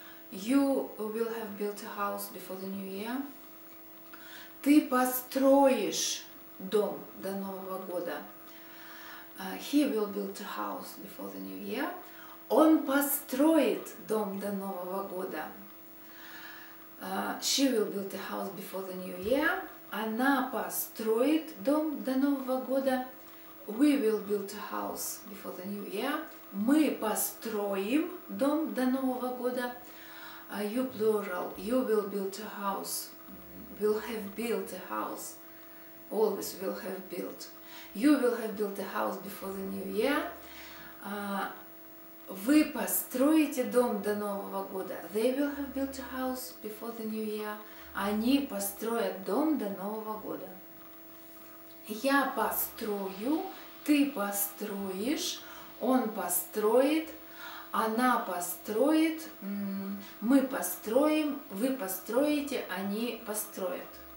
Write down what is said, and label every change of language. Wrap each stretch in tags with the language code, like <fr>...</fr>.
<en>You will have built a house before the new year.</en> <ru>Ты построишь дом до Нового года.</ru> <en>He will build a house before the new year.</en> <ru>Он построит дом до Нового года.</ru> <en>She will build a house before the new year.</en> <ru>Она построит дом до Нового года.</ru> <en>We will build a house before the new year.</en> <ru>Мы построим дом до Нового года.</ru> <en>You plural, you will build a house, will have built a house, always will have built. You will have built a house before the new year.</en> <ru>Вы построите дом до Нового года.</ru> <en>They will have built a house before the new year.</en> <ru>Они построят дом до Нового года. Я построю, ты построишь, он построит. Она построит, мы построим, вы построите, они построят.</ru>